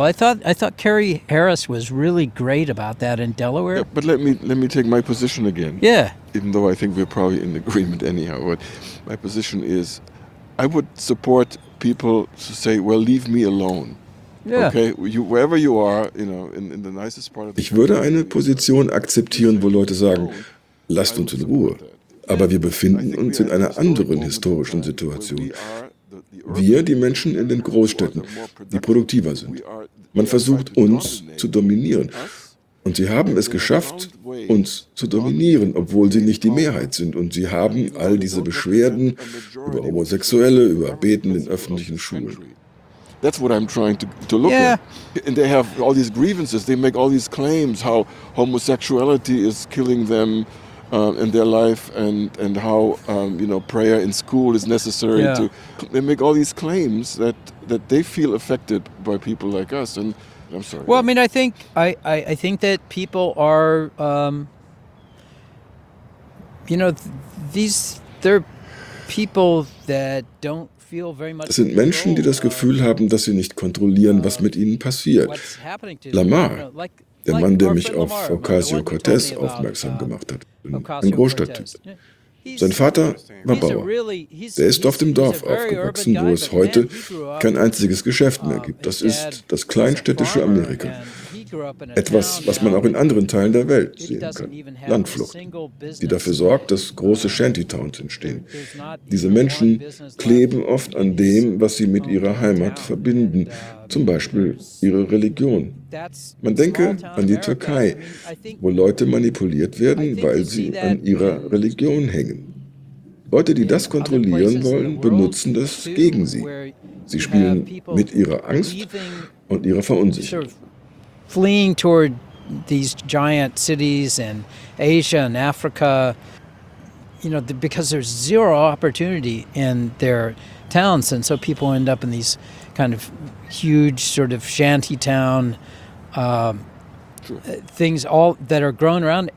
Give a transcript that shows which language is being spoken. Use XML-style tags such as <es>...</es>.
<en>I thought Kerry Harris was really great about that in Delaware. Yeah, but let me take my position again. Yeah. Even though I think we're probably in agreement anyhow. But my position is, I would support people to say, well, leave me alone. Yeah. Okay, you, wherever you are, you know, in the nicest part of the</en> <de>Ich würde eine Position akzeptieren, wo Leute sagen, lasst uns in Ruhe. Aber wir befinden uns in einer anderen historischen Situation. Wir, die Menschen in den Großstädten, die produktiver sind. Man versucht, uns zu dominieren. Und sie haben es geschafft, uns zu dominieren, obwohl sie nicht die Mehrheit sind. Und sie haben all diese Beschwerden über Homosexuelle, über Beten in öffentlichen Schulen.</de> <en>That's what I'm trying to look yeah. at. And they have all these grievances. They make all these claims how homosexuality is killing them in their life, and how you know, prayer in school is necessary. Yeah. To they make all these claims that they feel affected by people like us. And I'm sorry. Well, I mean, I think that people are you know, they're people that don't.</en> <de>Das sind Menschen, die das Gefühl haben, dass sie nicht kontrollieren, was mit ihnen passiert. Lamar, der Mann, der mich auf Ocasio-Cortez aufmerksam gemacht hat, ein Großstadttyp. Sein Vater war Bauer. Der ist auf dem Dorf aufgewachsen, wo es heute kein einziges Geschäft mehr gibt. Das ist das kleinstädtische Amerika. Etwas, was man auch in anderen Teilen der Welt sehen kann. Landflucht, die dafür sorgt, dass große Shantytowns entstehen. Diese Menschen kleben oft an dem, was sie mit ihrer Heimat verbinden, zum Beispiel ihre Religion. Man denke an die Türkei, wo Leute manipuliert werden, weil sie an ihrer Religion hängen. Leute, die das kontrollieren wollen, benutzen das gegen sie. Sie spielen mit ihrer Angst und ihrer Verunsicherung.</de> <en>Fleeing toward these giant cities in Asia and Africa, you know, because there's zero opportunity in their towns, and so people end up in these kind of huge sort of shanty town things all that are grown around.</en>